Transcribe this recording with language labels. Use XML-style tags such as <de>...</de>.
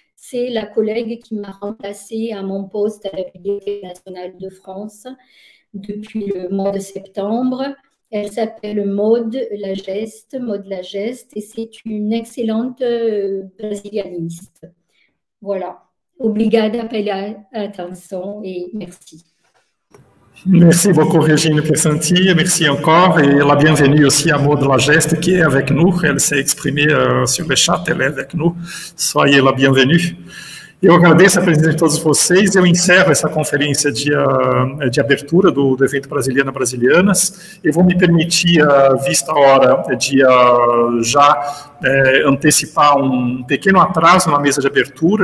<fr>C'est la collègue qui m'a remplacée à mon poste à l'Académie nationale de France depuis le mois de septembre. Elle s'appelle Maude Lageste, et c'est une excellente brésilianiste. Voilà.</fr> <pt>Obrigada pela atenção</pt> <fr>et merci. Merci beaucoup, Régine Pessanti. Merci encore. Et la bienvenue aussi à Maude Lageste qui est avec nous. Elle s'est exprimée sur le chat. Elle est avec nous. Soyez la bienvenue.</fr> <pt>Eu agradeço a presença de todos vocês e eu encerro essa conferência de abertura do evento Brasiliana Brasilianas. E vou me permitir, vista a hora, de já antecipar um pequeno atraso na mesa de abertura.</pt>